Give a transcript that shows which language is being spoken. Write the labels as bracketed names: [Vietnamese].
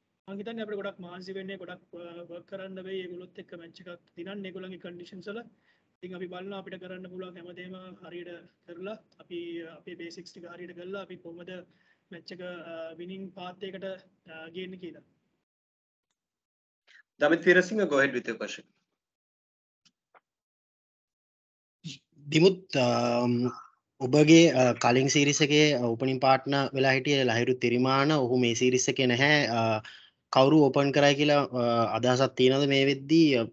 [Sinhala] මංහිතන් අපට ගොඩක් මාන්සි වෙන්නේ ගොඩක් වර්ක් කරන්න වෙයි ඒගොල්ලොත් එක්ක මැච් එකක් දිනන්න ඒගොල්ලන්ගේ කන්ඩිෂන්ස් වල ඉතින් අපි බලන අපිට කරන්න පුළුවන් හැමදේම හරියට කරලා අපි අපේ බේසික්ස් ටික හරියට කරලා අපි කොහොමද මැච් එක විනින් පාත් එකට ගේන්නේ කියලා [English] Damith Weerasinghe go ahead with your question [Sinhala] Dimuth ඔබගේ කලින් සීරිසකේ ඕපනින් පාට්න වෙලා හිටිය ලහිරු තිරිමාන ඔහු මේ සීරිසකේ නැහැ කවුරු ඕපන් කරයි කියලා අදහසක් තියෙනවද මේ වෙද්දී